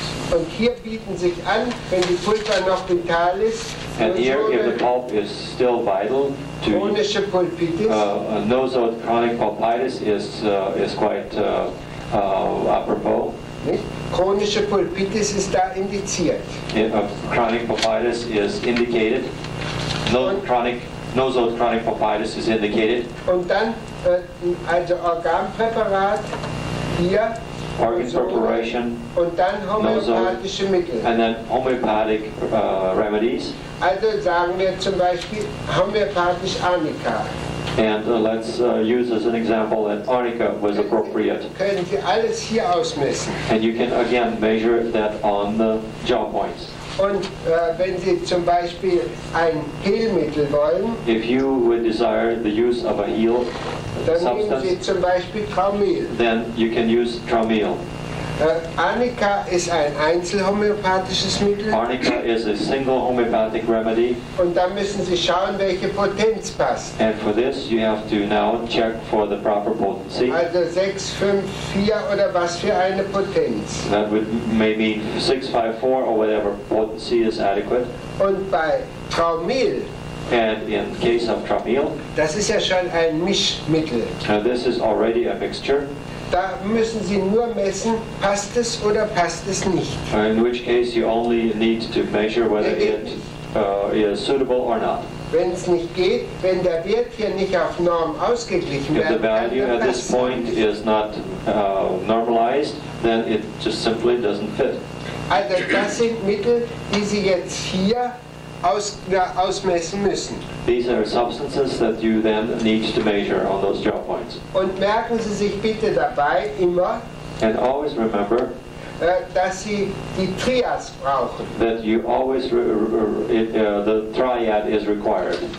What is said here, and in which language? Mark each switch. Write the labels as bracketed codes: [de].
[de] Und hier bieten sich an, wenn die Pulpa noch vital ist. [en] And here, if the pulp is still vital to [de] chronische pulpitis. [en] Nosode chronic pulpitis is quite apropos. [de] Chronische pulpitis ist da indiziert. [en] Chronic pulpitis is indicated. Nosode chronic pulpitis is indicated. [de] Und dann also Organpräparat hier. [en] Organ preparation, [de] und dann homöopathische Mittel. [en] And then homeopathic remedies. [de] Also sagen wir zum Beispiel homöopathisch Arnika. [en] And let's use as an example that Arnika was appropriate. [de] Können Sie alles hier ausmessen. [en] And you can again measure that on the jaw points. [de] Und wenn Sie zum Beispiel ein Heilmittel wollen, [en] if you would desire the use of a heal [de] dann substance, nehmen Sie zum Beispiel Carmel. [en] Then you can use Carmel. [de] Arnika ist ein einzelhomöopathisches Mittel. [en] Arnika is a single homeopathic remedy. [de] Und dann müssen Sie schauen, welche Potenz passt. [en] And for this you have to now check for the proper potency. [de] Also 6, 5, 4 oder was für eine Potenz. [en] That would maybe 6, 5, 4 or whatever potency is adequate. [de] Und bei Traumil. [en] And in case of Traumil. [de] Das ist ja schon ein Mischmittel. [en] Now this is already a mixture. [de] Da müssen Sie nur messen, passt es oder passt es nicht. [en] In which case you only need to measure whether it is suitable or not. [de] Wenn es nicht geht, wenn der Wert hier nicht auf Norm ausgeglichen wird, [en] if the value at this point is not normalized, then it just simply doesn't fit. [de] Also das sind Mittel, die Sie jetzt hier ausmessen müssen. [en] These are substances that you then need to measure on those jaw points. [de] Und merken Sie sich bitte dabei immer, [en] and always remember, [de] dass Sie die Trias brauchen. [en] That you always the triad is required.